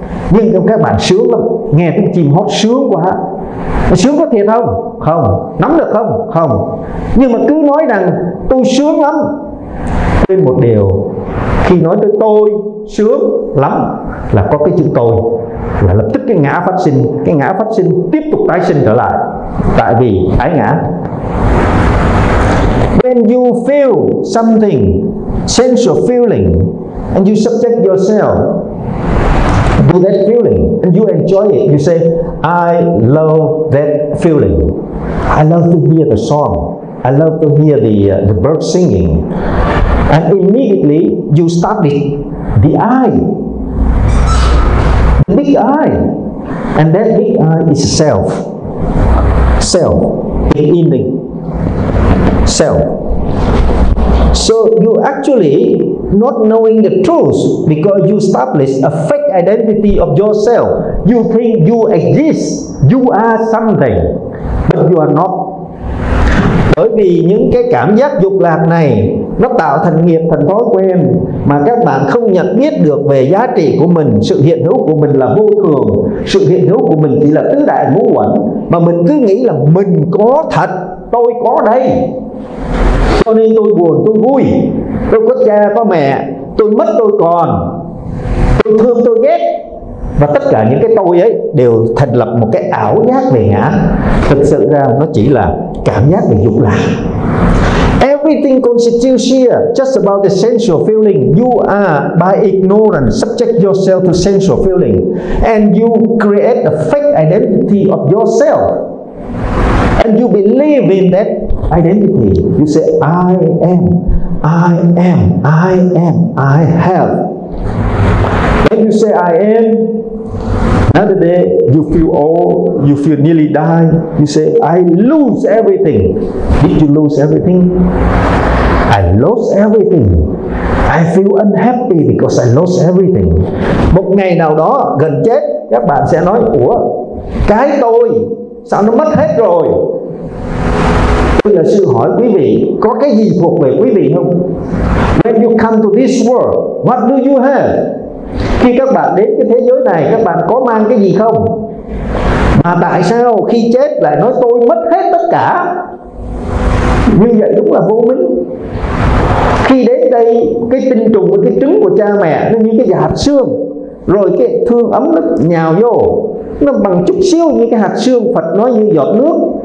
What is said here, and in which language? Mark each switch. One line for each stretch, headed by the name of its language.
Vietnamese: Nhưng trong các bạn sướng lắm, nghe tiếng chim hót sướng quá, sướng có thiệt không? Không. Nắm được không? Không. Nhưng mà cứ nói rằng tôi sướng lắm, quên một điều, khi nói tới tôi sướng lắm là có cái chữ tôi, là lập tức cái ngã phát sinh, cái ngã phát sinh tiếp tục tái sinh trở lại, tại vì ái ngã.
English: When you feel something, sensual feeling, and you subject yourself to that feeling, and you enjoy it, you say, I love that feeling. I love to hear the song. I love to hear the bird singing. And immediately you start the I. Big I, and that big I is self. Self, in the self. So you actually not knowing the truth because you establish a fake identity of yourself. You think you exist, you are something, but you are not.
Vietnamese: Bởi vì những cái cảm giác dục lạc này nó tạo thành nghiệp, thành thói quen mà các bạn không nhận biết được về giá trị của mình. Sự hiện hữu của mình là vô thường, sự hiện hữu của mình chỉ là tứ đại ngũ uẩn, mà mình cứ nghĩ là mình có thật, tôi có đây, cho nên tôi buồn, tôi vui, tôi có cha, có mẹ, tôi mất, tôi còn, tôi thương, tôi ghét. Và tất cả những cái tôi ấy đều thành lập một cái ảo giác về ngã. Thực sự ra nó chỉ là cảm giác về dục lạc.
English: Everything constitutes here just about the sensual feeling. You are by ignorance subject yourself to sensual feeling, and you create a fake identity of yourself, and you believe in that identity. You say, I am, I am, I am, I have. When you say I am, another day you feel old, you feel nearly die, you say I lose everything. Did you lose everything? I lost everything. I feel unhappy because I lost everything.
Vietnamese: Một ngày nào đó gần chết, các bạn sẽ nói, ủa, cái tôi sao nó mất hết rồi. Bây giờ sư hỏi quý vị, có cái gì thuộc về quý vị không?
English: When you come to this world, what do you have?
Vietnamese: Khi các bạn đến cái thế giới này, các bạn có mang cái gì không? Mà tại sao khi chết lại nói tôi mất hết tất cả? Như vậy đúng là vô minh. Khi đến đây, cái tinh trùng và cái trứng của cha mẹ nó như cái hạt xương, rồi cái thương ấm nó nhào vô, nó bằng chút xíu như cái hạt xương, Phật nói như giọt nước.